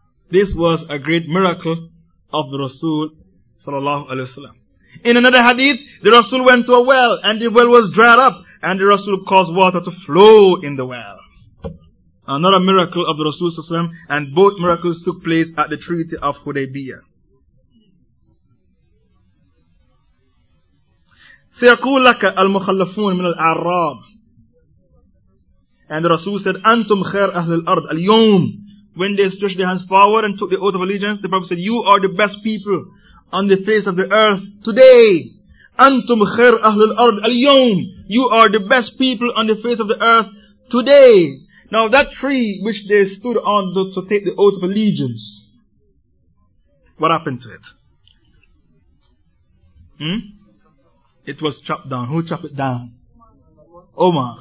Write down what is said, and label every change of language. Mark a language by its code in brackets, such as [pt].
[en] This was a great miracle of the Rasul, sallallahu alaihi wasallam. In another hadith, the Rasul went to a well, and the well was dried up, and the Rasul caused water to flow in the well. Another miracle of the Rasul sallam, and both miracles took place at the Treaty of Hudaybiyah. [ar] سيقول لك المخلفون من الأعراب. [en] And the Rasul said, [ar] أنتم خير أهل الأرض اليوم. [en] When they stretched their hands forward and took the oath of allegiance, the Prophet said, you are the best people on the face of the earth today. [ar] أنتم خير أهل الأرض اليوم. [en] You are the best people on the face of the earth today. Now that tree which they stood on to take the oath of allegiance, what happened to it? It was chopped down. Who chopped it down? Omar.